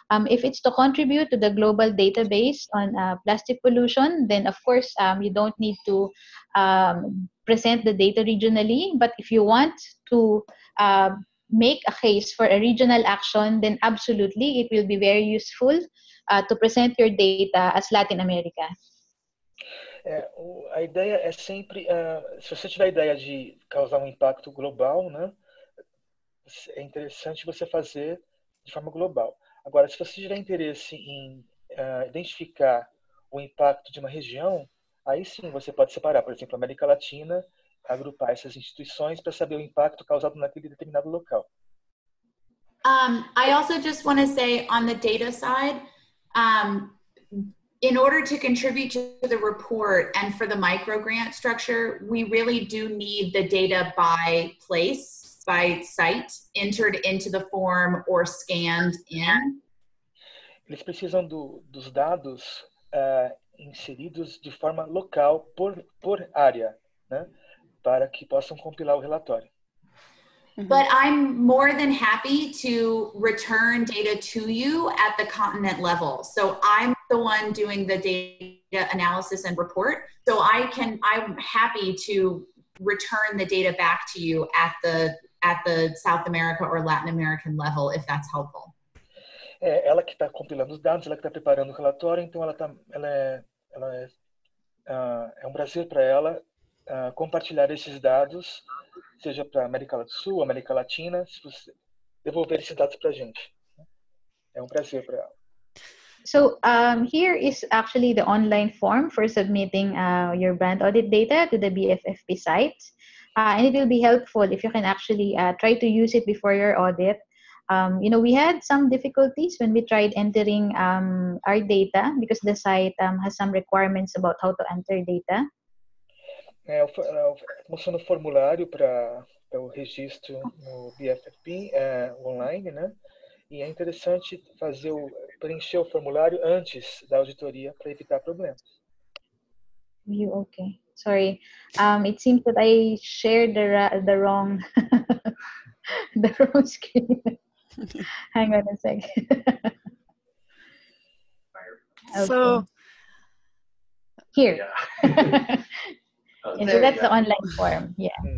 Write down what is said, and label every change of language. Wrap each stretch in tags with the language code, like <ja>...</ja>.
<en>If it's to contribute to the global database on plastic pollution, then of course, you don't need to present the data regionally. But if you want to make a case for a regional action, then absolutely, it will be very useful to present your data as Latin America.</en> <pt>A ideia é sempre, se você tiver a ideia de causar um impacto global, né, é interessante você fazer de forma global. Agora, se você tiver interesse em identificar o impacto de uma região, aí sim você pode separar, por exemplo, América Latina, agrupar essas instituições para saber o impacto causado naquele determinado local.</pt> <en>I also just want to say, on the data side, in order to contribute to the report and for the micro grant structure, we really do need the data by place, by site, entered into the form or scanned in.</en> <pt>Eles precisam dos dados inseridos de forma local por área, né, para que possam compilar o relatório.</pt> <en>But I'm more than happy to return data to you at the continent level. So I'm the one doing the data analysis and report. So I'm happy to return the data back to you at the South America or Latin American level, if that's helpful.</en> <pt>Ela que está compilando os dados, ela que está preparando o relatório, então ela é um prazer para ela compartilhar esses dados, seja para América do Sul, América Latina, se você devolver esses dados para a gente. É um prazer para ela.</pt> <en>So, here is actually the online form for submitting your brand audit data to the BFFP site. And it will be helpful if you can actually try to use it before your audit. You know, we had some difficulties when we tried entering our data because the site has some requirements about how to enter data.</en> <pt>Mostrando o formulário para o registro no BFFP online, né? E é interessante preencher o formulário antes da auditoria para evitar problemas.</pt> <en>View, okay. Sorry. It seems that I shared the wrong the wrong screen. Hang on a sec. So here. Yeah. So that's the online form. Yeah.</en>